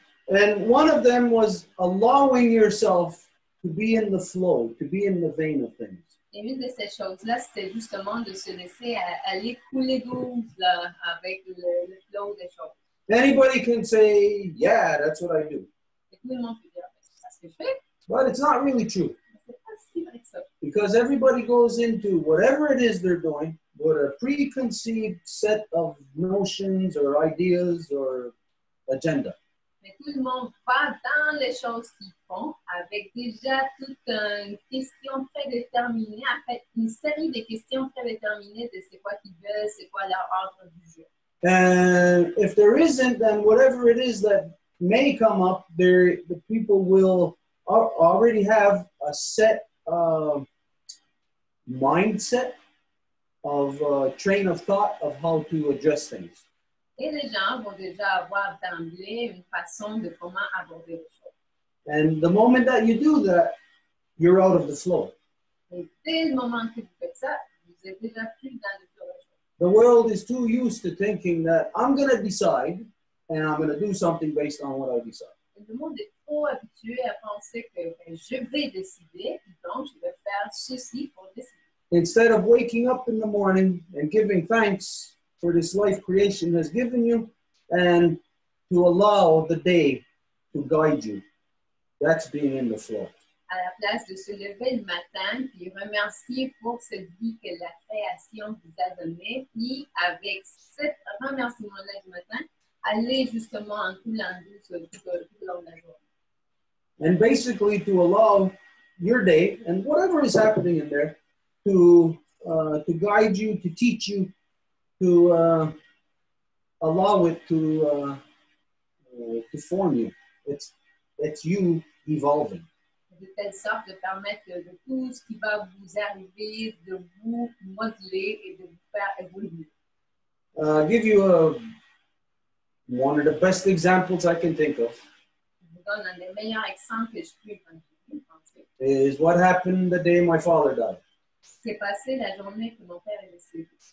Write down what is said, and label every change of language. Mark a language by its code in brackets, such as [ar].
[en] And one of them was allowing yourself to be in the flow, to be in the vein of things. [fr] Et une de ces choses-là, c'était justement de se laisser aller couler douce là, avec le flow des choses. [en] Anybody can say, yeah, that's what I do. [fr] Et tout le monde peut dire, c'est ça ce que je fais. [en] But it's not really true. [fr] C'est pas si vrai que ça. [en] Because everybody goes into whatever it is they're doing with a preconceived set of notions or ideas or agenda. [fr] Mais tout le monde va dans les choses qu'ils font avec déjà toute une question prédéterminée, en fait, une série de questions prédéterminées de c'est quoi qu'ils veulent, c'est quoi leur ordre du jour. [en] And if there isn't, then whatever it is that may come up, there the people will already have a set mindset of train of thought of how to address things. [fr] Et les gens vont déjà avoir d'emblée une façon de comment aborder les choses. [en] And the moment that you do that, you're out of the flow. [fr] Et dès le moment que vous faites ça, vous êtes déjà plus dans le flow. [en] The world is too used to thinking that I'm going to decide and I'm going to do something based on what I decide. [fr] Et le monde est trop habitué à penser que ben, je vais décider, donc je vais faire ceci pour décider. [en] Instead of waking up in the morning and giving thanks for this life creation has given you and to allow the day to guide you, that's being in the flow. [fr] À la place de se lever le matin et remercier pour cette vie que la création vous a donnée, puis avec ce remerciement-là du matin, aller justement en coulant douce tout au long de la journée. [en] And basically to allow your day and whatever is happening in there to guide you, to teach you, to allow it to form you. It's you evolving. [fr] De telle sorte de permettre de tout ce qui va vous arriver de vous modeler et de vous faire évoluer. [en] I'll give you one of the best examples I can think of. [fr] Je vous donne un des meilleurs exemples que je puis penser. [en] Is what happened the day my father died. [fr] C'est passé la journée que mon père est décédé.